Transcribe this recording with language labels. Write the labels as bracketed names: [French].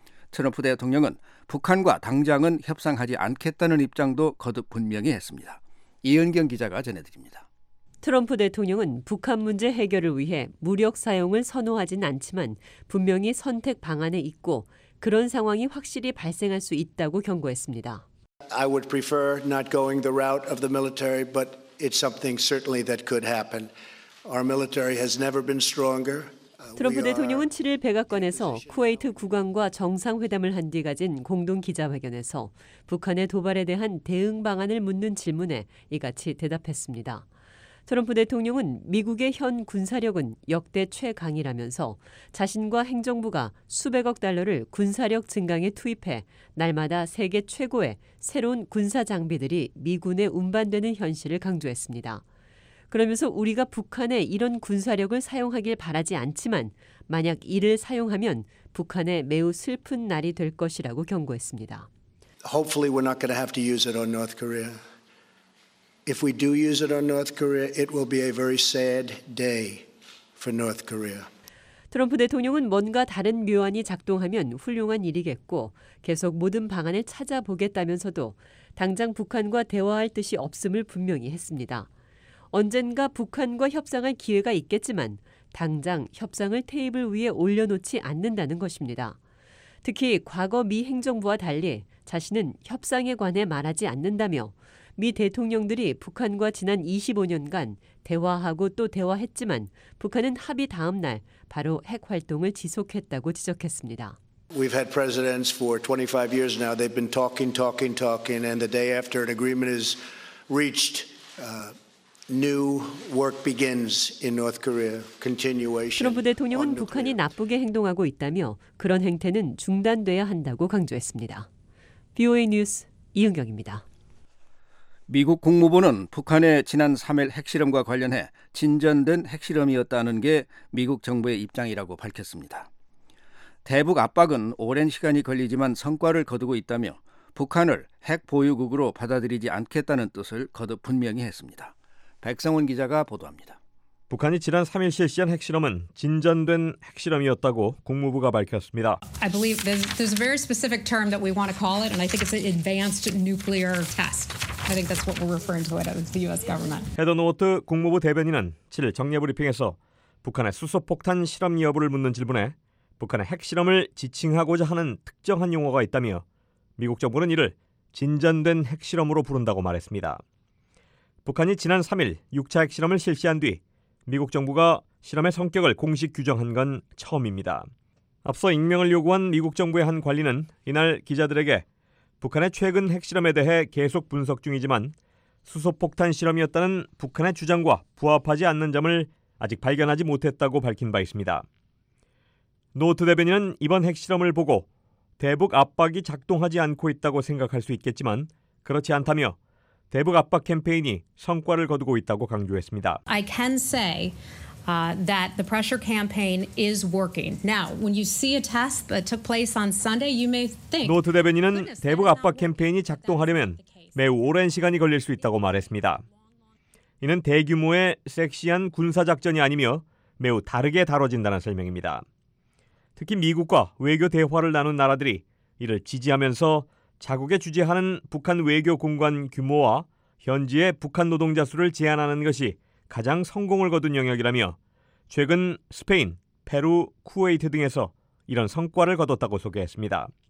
[Korean] 트럼프 대통령은 북한과 당장은 협상하지 않겠다는 입장도 거듭 분명히 했습니다. 이은경 기자가 전해드립니다. 트럼프 대통령은 북한 문제 해결을 위해 무력 사용을 선호하진 않지만 분명히 선택 방안에 있고 그런 상황이 확실히 발생할 수 있다고 경고했습니다. [English] I would prefer not going the route of the military, but it's something certainly that could happen. Our military has never been stronger. [Korean] 트럼프 대통령은 7일 백악관에서 쿠웨이트 국왕과 정상회담을 한 뒤 가진 공동 기자회견에서 북한의 도발에 대한 대응 방안을 묻는 질문에 이같이 대답했습니다. 트럼프 대통령은 미국의 현 군사력은 역대 최강이라면서 자신과 행정부가 수백억 달러를 군사력 증강에 투입해 날마다 세계 최고의 새로운 군사 장비들이 미군에 운반되는 현실을 강조했습니다. 그러면서 우리가 북한에 이런 군사력을 사용하길 바라지 않지만 만약 이를 사용하면 북한에 매우 슬픈 날이 될 것이라고 경고했습니다. [English] Hopefully we're not going to have to use it on North Korea. If we do use it on North Korea, it will be a very sad day for North Korea. [Korean] 트럼프 대통령은 뭔가 다른 묘안이 작동하면 훌륭한 일이겠고 계속 모든 방안을 찾아보겠다면서도 당장 북한과 대화할 뜻이 없음을 분명히 했습니다. 언젠가 북한과 협상할 기회가 있겠지만 당장 협상을 테이블 위에 올려놓지 않는다는 것입니다. 특히 과거 미 행정부와 달리 자신은 협상에 관해 말하지 않는다며 미 대통령들이 북한과 지난 25년간 대화하고 또 대화했지만 북한은 합의 다음 날 바로 핵 활동을 지속했다고 지적했습니다. [English] We've had presidents for 25 years now. They've been talking and the day after an agreement is reached new work begins in North Korea. Continuation. [Korean] 트럼프 대통령은 북한이 나쁘게 행동하고 있다며 그런 행태는 중단돼야 한다고 강조했습니다. BOA 뉴스 이은경입니다. 미국 국무부는 북한의 지난 3일 핵실험과 관련해 진전된 핵실험이었다는 게 미국 정부의 입장이라고 밝혔습니다. 대북 압박은 오랜 시간이 걸리지만 성과를 거두고 있다며 북한을 핵 보유국으로 받아들이지 않겠다는 뜻을 거듭 분명히 했습니다. 백성훈 기자가 보도합니다. 북한이 지난 3일 실시한 핵실험은 진전된 핵실험이었다고 국무부가 밝혔습니다. [English] I believe there's a very specific term that we want to call it, and I think it's an advanced nuclear test. I think that's what we're referring to it as the U.S. government. [Korean] 헤더 노트 국무부 대변인은 7일 정례 브리핑에서 북한의 수소폭탄 실험 여부를 묻는 질문에 북한의 핵실험을 지칭하고자 하는 특정한 용어가 있다며 미국 정부는 이를 진전된 핵실험으로 부른다고 말했습니다. 북한이 지난 3일 6차 핵실험을 실시한 뒤 미국 정부가 실험의 성격을 공식 규정한 건 처음입니다. 앞서 익명을 요구한 미국 정부의 한 관리는 이날 기자들에게 북한의 최근 핵실험에 대해 계속 분석 중이지만 수소폭탄 실험이었다는 북한의 주장과 부합하지 않는 점을 아직 발견하지 못했다고 밝힌 바 있습니다. 노트 대변인은 이번 핵실험을 보고 대북 압박이 작동하지 않고 있다고 생각할 수 있겠지만 그렇지 않다며 대북 압박 캠페인이 성과를 거두고 있다고 강조했습니다. [English] I can say that the pressure campaign is working. Now, when you see a test that took place on Sunday, you may think. [Korean] 노트 대변인은 대북 압박 캠페인이 작동하려면 매우 오랜 시간이 걸릴 수 있다고 말했습니다. 이는 대규모의 섹시한 군사 작전이 아니며 매우 다르게 다뤄진다는 설명입니다. 특히 미국과 외교 대화를 나눈 나라들이 이를 지지하면서 자국에 주재하는 북한 외교 공관 규모와 현지의 북한 노동자 수를 제한하는 것이 가장 성공을 거둔 영역이라며 최근 스페인, 페루, 쿠웨이트 등에서 이런 성과를 거뒀다고 소개했습니다.